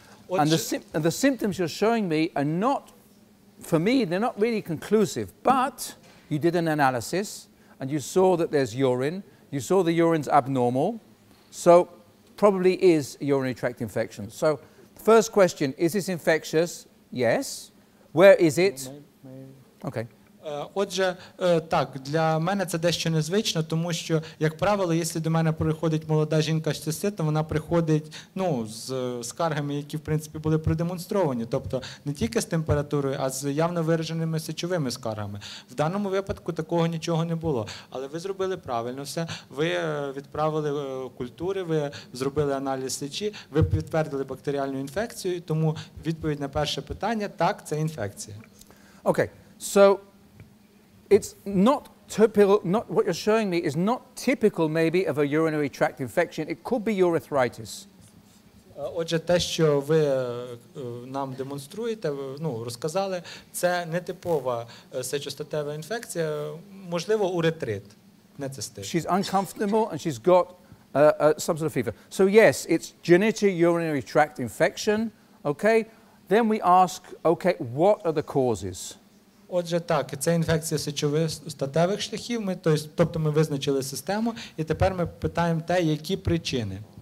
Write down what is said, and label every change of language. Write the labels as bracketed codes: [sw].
[en] And the symptoms you're showing me are not, for me, they're not really conclusive, but you did an analysis and you saw that there's urine, you saw the urine's abnormal, so probably is a urinary tract infection. So first question, is this infectious? Yes. Where is it? Okay. [uk] Отже, так, для мене це дещо незвично, тому що, як правило, якщо до мене приходить молода жінка з циститом, вона приходить, ну, з скаргами, які, в принципі, були продемонстровані, тобто не тільки з температурою, а з явно вираженими сечовими скаргами. В даному випадку такого нічого не було, але ви зробили правильно все, ви відправили культури, ви зробили аналіз сечі, ви підтвердили бактеріальну інфекцію, тому відповідь на перше питання – так, це інфекція. [en] Окей, It's not typical, not what you're showing me is not typical maybe of a urinary tract infection. It could be your arthritis. [uk] Отже, те, що ви нам демонструєте, ну, розказали, це не типова сечостатева інфекція, можливо, уретрит, не цистит. [en] She's uncomfortable and she's got some sort of fever. So yes, it's genital urinary tract infection, okay? Then we ask, okay, what are the causes? [uk] Отже, так, це інфекція сечовостатевих шляхів, тобто ми визначили систему, і тепер ми питаємо те, які причини.